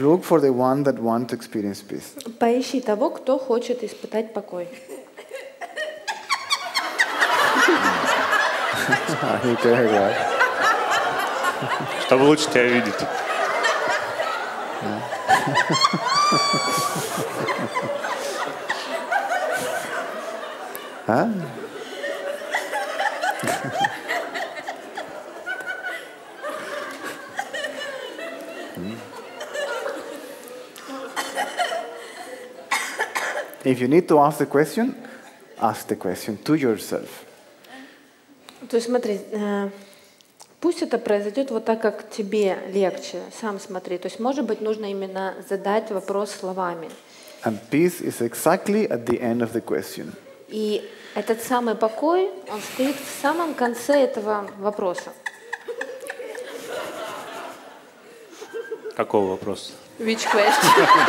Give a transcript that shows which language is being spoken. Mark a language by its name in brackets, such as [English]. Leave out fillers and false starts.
[English] Look for the one that wants to experience peace. [Russian] Поищи того, кто хочет испытать покой. Чтобы лучше тебя видеть. А? [English] If you need to ask the question, ask the question to yourself. [Russian] То есть смотри. Пусть это произойдет вот так, как тебе легче. Сам смотри. То есть, может быть, нужно именно задать вопрос словами. [English] And peace is exactly at the end of the question. [Russian] И этот самый покой, он стоит в самом конце этого вопроса. Какого вопроса? [English] Which question?